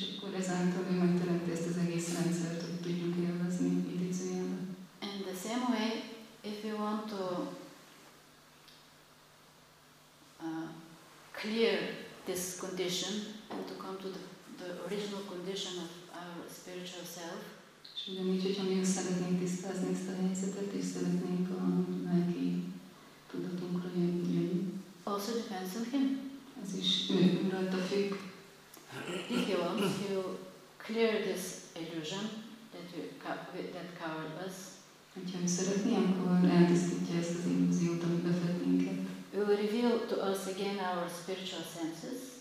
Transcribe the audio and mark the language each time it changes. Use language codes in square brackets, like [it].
[hu] És akkor ezáltal ő megteremti ezt az egész rendszert, hogy tudjuk élvezni, idézőjelben. [en] And the same way, if we want to clear this condition and to come to the original condition of our spiritual self, [hu] és ugyanígy, hogyha mi azt szeretnénk tisztázni ezt a helyzetet, és szeretnénk a lelki tudatunkra jönni. [en] Also depends on him. [hu] Ez is ő rajta függ. [en] If he wants to clear this illusion that covered us. [hu] Hogyha mi szeretné, akkor eltisztítja ezt az illúziót, ami befett minket. [en] We will reveal to us again our spiritual senses.